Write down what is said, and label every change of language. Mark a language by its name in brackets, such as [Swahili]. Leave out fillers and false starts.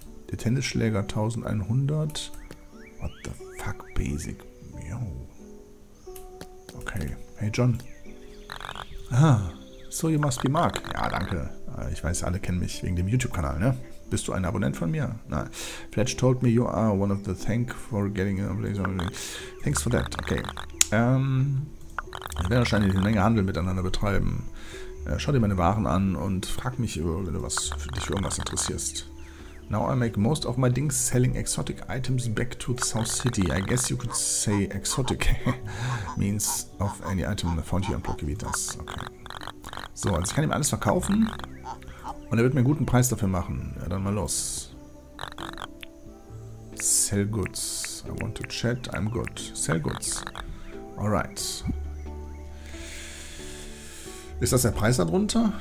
[German] Der Tennisschläger 1.100. [English] What the fuck, Basic? Yo. Okay. Hey, John. Ah, so you must be Mark. [German] Ja, danke. Ich weiß, alle kennen mich wegen dem YouTube-Kanal, ne? Bist du ein Abonnent von mir? Nein. [English] Fletch told me you are one of the thank for getting a blazer. Thanks for that. Okay. [German] Wir werden wahrscheinlich eine Menge Handel miteinander betreiben. Schau dir meine Waren an und frag mich, wenn du was für dich für irgendwas interessierst. [English] Now I make most of my things selling exotic items back to the South City. I guess you could say exotic means of any item found here on Prokivitas. Okay. [German] So, also ich kann ihm alles verkaufen und er wird mir einen guten Preis dafür machen. Ja, dann mal los. [English] Sell goods. I want to chat. I'm good. Sell goods. Alright. [German] Ist das der Preis darunter?